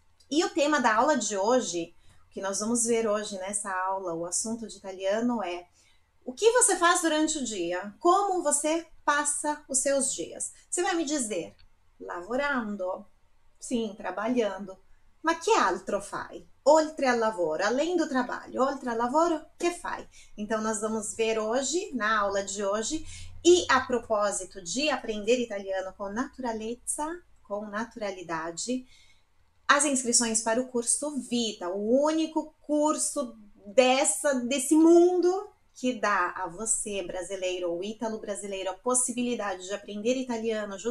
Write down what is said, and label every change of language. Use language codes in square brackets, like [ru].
[pt] E o tema da aula de hoje, que nós vamos ver hoje nessa aula, o assunto de italiano é: o que você faz durante o dia? Como você passa os seus dias? Você vai me dizer: lavorando? Sim, trabalhando. [it] Ma che altro fai? Oltre al lavoro, [pt] além do trabalho, [it] oltre al lavoro, che fai? [pt] Então, nós vamos ver hoje, na aula de hoje, e [it] a proposito [pt] de aprender italiano com naturalezza, com naturalidade, as inscrições para o curso Vita, o único curso desse mundo que dá a você, brasileiro ou ítalo-brasileiro, a possibilidade de aprender italiano.